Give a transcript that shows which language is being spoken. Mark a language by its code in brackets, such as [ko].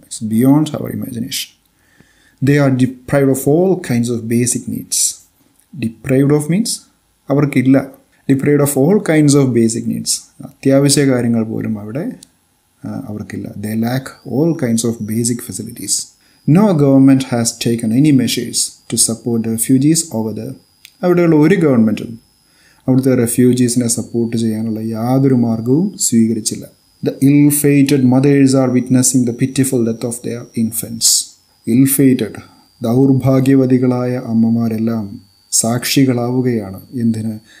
[en] It's beyond our imagination. They are deprived of all kinds of basic needs. Deprived of means [ml] അവർക്കില്ല. [en] deprived of all kinds of basic needs, [ml] അത്യാവശ്യ കാര്യങ്ങൾ പോലും അവിടെ അവർക്കില്ല. [en] They lack all kinds of basic facilities. No government has taken any measures to support the refugees over there. [ml] അവിടെയുള്ള ഒരു ഗവൺമെൻറ്റും അവിടുത്തെ റെഫ്യൂജീസിനെ സപ്പോർട്ട് ചെയ്യാനുള്ള യാതൊരു മാർഗവും സ്വീകരിച്ചില്ല. [en] The ill fated mothers are witnessing the pitiful death of their infants. Ill fated, [ml] ദൗർഭാഗ്യവതികളായ അമ്മമാരെല്ലാം സാക്ഷികളാവുകയാണ്. എന്തിന്?